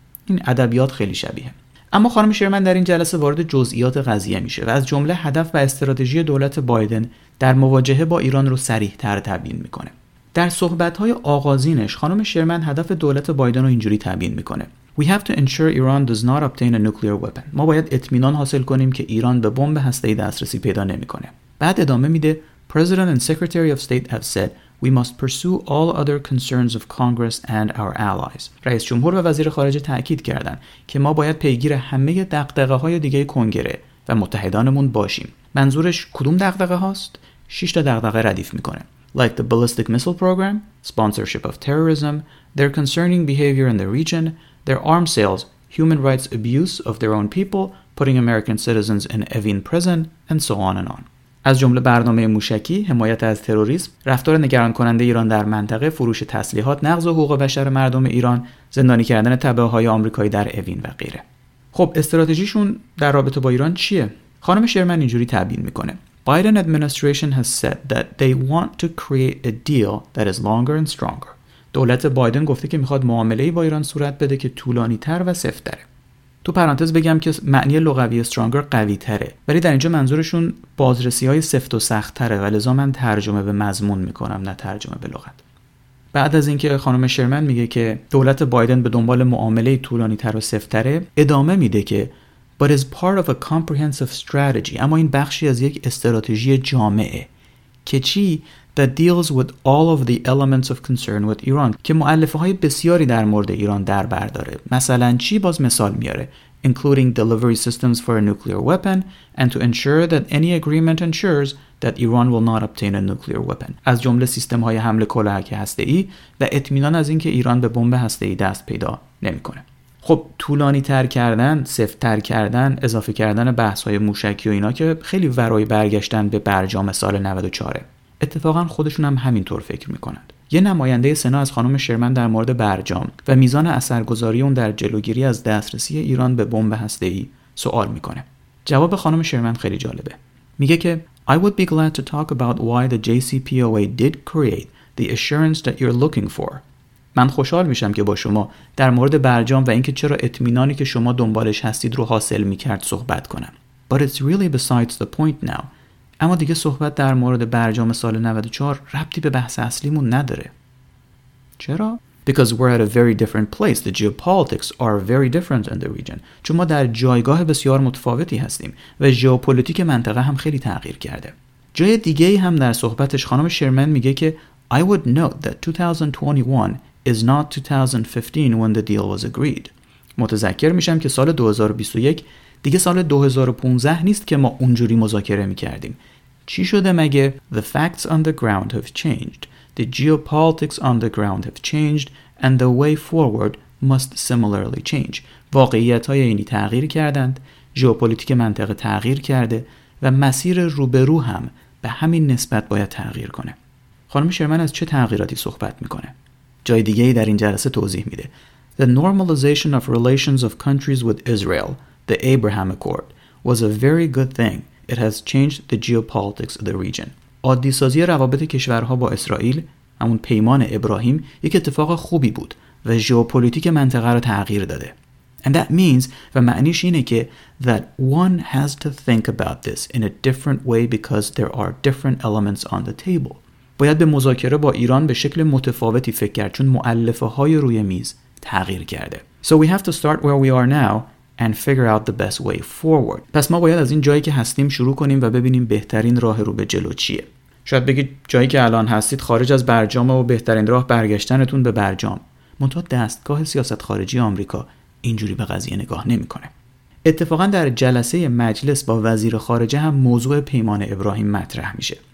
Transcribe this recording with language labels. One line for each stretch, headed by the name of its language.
Persian: این ادبیات خیلی شبیهه. اما خانم شرمن در این جلسه وارد جزئیات قضیه میشه و از جمله هدف و استراتژی دولت بایدن در مواجهه با ایران رو صریح‌تر تبیین میکنه. در صحبت‌های آغازینش خانم شرمن هدف دولت بایدن رو اینجوری تبیین می‌کنه:
English: We have to ensure Iran does not obtain a nuclear weapon.
Persian: ما باید اطمینان حاصل کنیم که ایران به بمب هسته‌ای دسترسی پیدا نمی‌کنه. بعد ادامه میده:
English: President and Secretary of State have said we must pursue all other concerns of Congress and our allies.
Persian: رئیس جمهور و وزیر خارجه تأکید کردند که ما باید پیگیر همه دغدغه‌های دیگه کنگره و متحدانمون باشیم. منظورش کدوم دغدغه هاست؟ 6 تا دغدغه ردیف می‌کنه.
English: Like the ballistic missile program, sponsorship of terrorism, their concerning behavior in the region, their arms sales, human rights abuse of their own people, putting American citizens in Evin prison, and so on and on.
Persian: از جمله برنامه موشکی، حمایت از تروریسم، رفتار نگران کننده ایران در منطقه، فروش تسلیحات، نقض حقوق بشر مردم ایران، زندانی کردن تبعه‌های آمریکایی در اوین و غیره. خب استراتژیشون در رابطه با ایران چیه؟ خانم شرمن اینجوری تبیین میکنه:
English: Biden administration has said that they want to create a deal that is longer and stronger.
Persian: دولت بایدن گفته که میخواد معامله‌ای با ایران صورت بده که طولانی تر و سفت‌تره. تو پرانتز بگم که معنی لغوی stronger قوی تره، ولی در اینجا منظورشون بازرسی‌های سفت و سخت تره و لذا من ترجمه به مضمون میکنم نه ترجمه به لغت. بعد از اینکه خانم شرمن میگه که دولت بایدن به دنبال معامله‌ای طولانی تر و سفت‌تره، ادامه میده که
English: But is part of a comprehensive strategy.
Persian: اما این بخشی از یک استراتژی جامعه که چی؟
English: That deals with all of the elements of concern with Iran.
Persian: که مؤلفه‌های بسیاری در مورد ایران در بر داره. مثلا چی؟ باز مثال میاره.
English: Including delivery systems for a nuclear weapon and to ensure that any agreement ensures that Iran will not obtain a nuclear weapon.
Persian: از جمله سیستم‌های حمل کلاهک هسته‌ای و اطمینان از اینکه ایران به بمب هسته‌ای دست پیدا نمی‌کنه. خب طولانی تر کردن، سفت تر کردن، اضافه کردن بحث‌های موشکی و اینا که خیلی ورای برگشتن به برجام سال 94. اتفاقا خودشون هم همینطور فکر می‌کنند. یه نماینده سنا از خانم شرمن در مورد برجام و میزان اثرگذاری اون در جلوگیری از دسترسی ایران به بمب هسته‌ای سوال می‌کنه. جواب خانم شرمن خیلی جالبه. میگه که
English: I would be glad to talk about why the JCPOA did create the assurance that you're looking for.
Persian: من خوشحال میشم که با شما در مورد برجام و اینکه چرا اطمینانی که شما دنبالش هستید رو حاصل میکرد صحبت کنم.
English: But it's really besides the point now.
Persian: اما دیگه صحبت در مورد برجام سال 94 ربطی به بحث اصلیمون نداره. چرا؟
English: Because we're at a very different place. The geopolitics are very different in the region.
Persian: چون ما در جایگاه بسیار متفاوتی هستیم و ژئوپلیتیک منطقه هم خیلی تغییر کرده. جای دیگه هم در صحبتش خانم شرمن میگه که
English: I would note that 2021 is not 2015 when the deal was agreed.
Persian: متذکر میشم که سال 2021 دیگه سال 2015 نیست که ما اونجوری مذاکره میکردیم. چی شده مگه؟
English: The facts on the ground have changed. The geopolitics on the ground have changed and the way forward must similarly change.
Persian: واقعیت های اینی تغییر کردند، ژئوپلیتیک منطقه تغییر کرده و مسیر روبرو هم به همین نسبت باید تغییر کنه. خانم شرمن از چه تغییراتی صحبت میکنه؟ جای دیگه ای در این جلسه توضیح میده.
English: The normalization of relations of countries with Israel, the Abraham Accord, was a very good thing. It has changed the geopolitics of the region.
Persian: عادی سازی روابط کشورها با اسرائیل، همون پیمان ابراهیم، یک اتفاق خوبی بود و ژئوپلیتیک منطقه را تغییر داده.
English: And that means,
Persian: و معنیش اینه که
English: that one has to think about this in a different way because there are different elements on the table.
Persian: باید به مذاکره با ایران به شکل متفاوتی فکر کرد چون مؤلفه های روی میز تغییر کرده.
English: So we have to start where we are now and figure out the best way forward.
Persian: پس ما باید از این جایی که هستیم شروع کنیم و ببینیم بهترین راه رو به جلو چیه. شاید بگید جایی که الان هستید خارج از برجام و بهترین راه برگشتنتون به برجام. منتها دستگاه سیاست خارجی آمریکا اینجوری به قضیه نگاه نمی‌کنه. اتفاقا در جلسه مجلس با وزیر خارجه هم موضوع پیمان ابراهیم مطرح میشه.